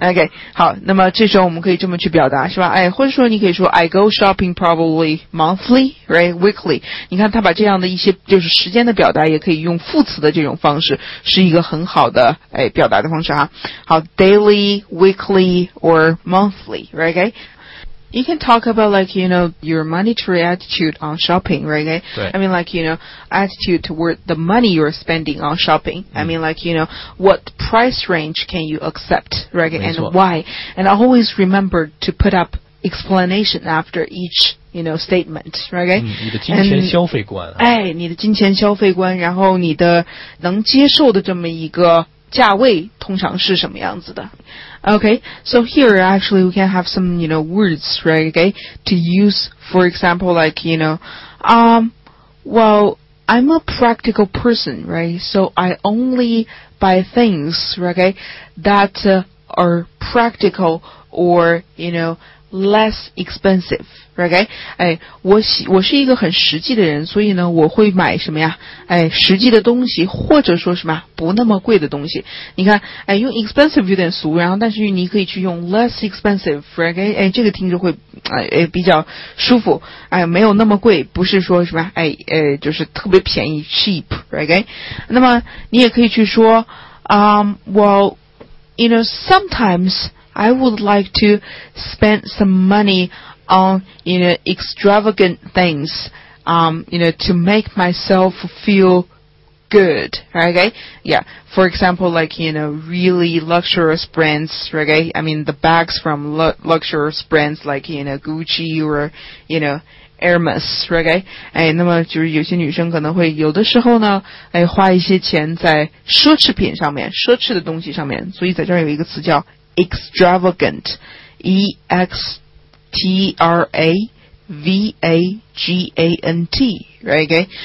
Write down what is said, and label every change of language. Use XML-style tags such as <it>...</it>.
<zh>Okay, 好，那么这时候我们可以这么去表达是吧？哎，或者说你可以说</zh> <en>I go shopping probably monthly, right? Weekly.</en> <zh>你看他把这样的一些就是时间的表达也可以用副词的这种方式，是一个很好的哎表达的方式哈。</zh> <en>好 ，daily, weekly, or monthly, right? You can talk about like, you know, your monetary attitude on shopping, right? Right. I mean like, you know, attitude toward the money you're spending on shopping. Mm. I mean like, you know, what price range can you accept, right? And why? And always remember to put up explanation after each, you know, statement, right?</en> <zh>你的金钱消费观、啊。哎，你的金钱消费观，然后你的能接受的这么一个价位通常是什么样子的。</zh> <en>Okay, so here actually we can have some, you know, words, right, okay, to use, for example, like, you know, well, I'm a practical person, right, so I only buy things, right, okay, that are practical or, you know, less expensive, okay?</en> <zh>哎，我是一个很实际的人，所以呢，我会买什么呀？哎，实际的东西，或者说什么不那么贵的东西。你看，哎，用 expensive 有点俗，然后但是你可以去用 less expensive, okay? 哎，这个听着会哎比较舒服，哎，没有那么贵，不是说什么哎就是特别便宜 cheap, okay? 那么你也可以去说</zh> <en>well, you know, sometimes. I would like to spend some money on, you know, extravagant things, you know, to make myself feel good, okay? Yeah, for example, like, you know, really luxurious brands, okay? I mean, the bags from luxurious brands like, you know, Gucci or, you know,Hermes, okay?</en> <zh>哎，那么就是有些女生可能会有的时候呢，哎，花一些钱在奢侈品上面，奢侈的东西上面。所以在这儿有一个词叫 extravagant, extravagant, okay?</zh>